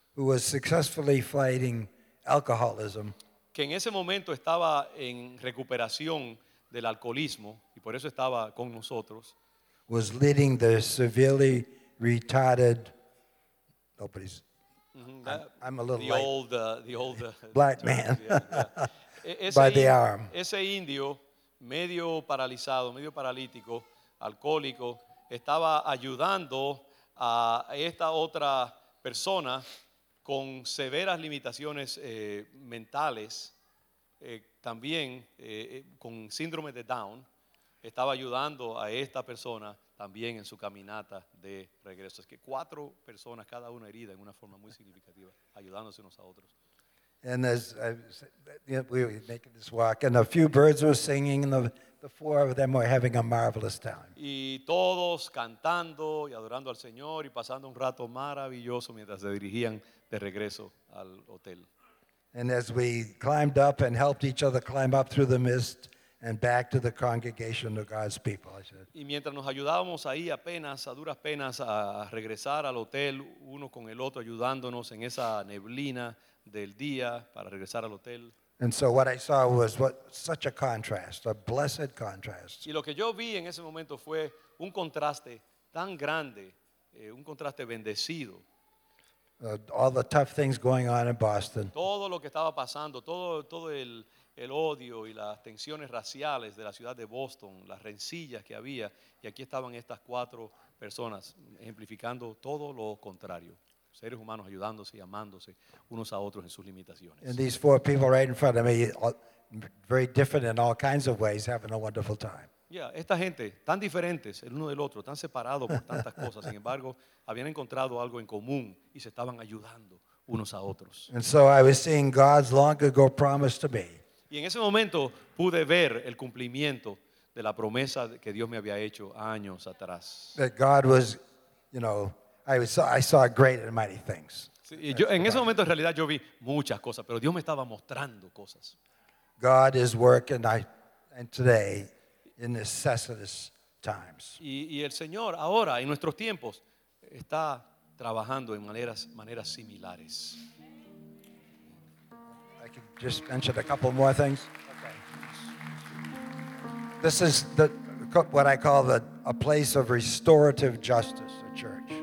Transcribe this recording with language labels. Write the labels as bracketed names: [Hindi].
[English] who was successfully fighting alcoholism. [Spanish] Que en ese momento estaba en recuperación del alcoholismo y por eso estaba con nosotros. [English] Was leading the severely retarded, nobody's, I'm a little the light, old, the old black man, by the arm. [Spanish] Ese indio, medio paralizado, medio paralítico, alcohólico, estaba ayudando a esta otra persona con severas limitaciones mentales, también con síndrome de Down, estaba ayudando a esta persona también en su caminata de regreso. Es que cuatro personas, cada una herida en una forma muy significativa, ayudándose unos a otros. [English] And as we were making this walk, and a few birds were singing, and the four of them were having a marvelous time. [Spanish] Y todos cantando y adorando al Señor y pasando un rato maravilloso mientras se dirigían de regreso al hotel. [English] And as we climbed up and helped each other climb up through the mist and back to the congregation of God's people, I said. [Spanish] Y mientras nos ayudábamos ahí apenas, a duras penas, a regresar al hotel, uno con el otro ayudándonos en esa neblina del día para regresar al hotel. [English] And so what I saw was such a contrast, a blessed contrast. [Spanish] Y lo que yo vi en ese momento fue un contraste tan grande, un contraste bendecido. [English] All the tough things going on in Boston. [Spanish] Todo lo que estaba pasando, todo el odio y las tensiones raciales de la ciudad de Boston, las rencillas que había, y aquí estaban estas cuatro personas ejemplificando todo lo contrario. Seres humanos ayudándose y amándose unos a otros en sus limitaciones. [English] And these four people right in front of me, all, very different in all kinds of ways, having a wonderful time. [Spanish] Yeah, esta gente, tan diferentes el uno del otro, tan separados por tantas cosas, sin embargo, habían encontrado algo en común y se estaban ayudando unos a otros. [English] And so I was seeing God's long ago promise to me. [Spanish] Y en ese momento pude ver el cumplimiento de la promesa que Dios me había hecho años atrás. [English] That God was, you know, I saw great and mighty things. [Spanish] Sí, y yo, en ese momento en realidad yo vi muchas cosas, pero Dios me estaba mostrando cosas. [English] God is working and today in necessitous times. [Spanish] Y el Señor ahora en nuestros tiempos está trabajando en maneras similares. [English] I can just mention a couple more things. Okay. This is what I call a place of restorative justice, a church.